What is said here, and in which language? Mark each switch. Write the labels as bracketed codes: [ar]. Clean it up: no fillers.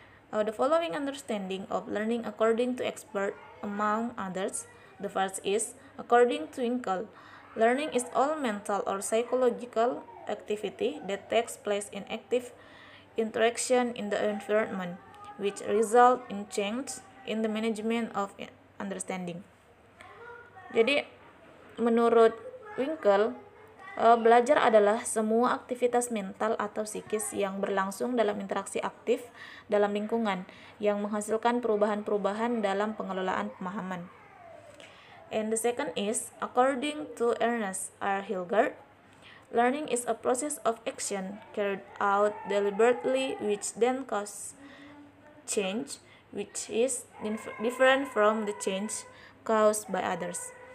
[en] The following understanding of learning according to expert among others, the first is, according to Winkle, learning is all mental or psychological activity that takes place in active interaction in the environment, which result in change in the management of understanding. [id] Jadi, menurut Winkle, belajar adalah semua aktivitas mental atau psikis yang berlangsung dalam interaksi aktif dalam lingkungan yang menghasilkan perubahan-perubahan dalam pengelolaan pemahaman. [en] And the second is, according to Ernest R. Hilgard, learning is a process of action carried out deliberately which then causes change, which is different from the change caused by others.